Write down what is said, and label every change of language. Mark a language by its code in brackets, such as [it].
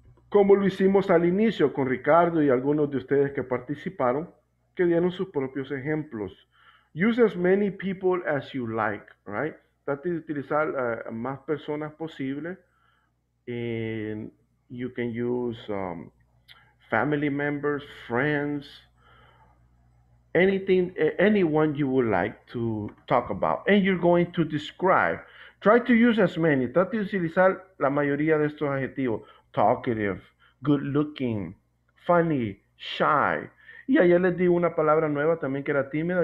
[es] Como lo hicimos al inicio con Ricardo y algunos de ustedes que participaron, que dieron sus propios ejemplos. [en] Use as many people as you like, right? [es] Trate de utilizar más personas posible. [en] And you can use family members, friends, anyone you would like to talk about. And you're going to describe. Try to use as many. [es] Trate de utilizar la mayoría de estos adjetivos. [en] Talkative, good looking, funny, shy. [es] Y ayer les di una palabra nueva también que era tímida.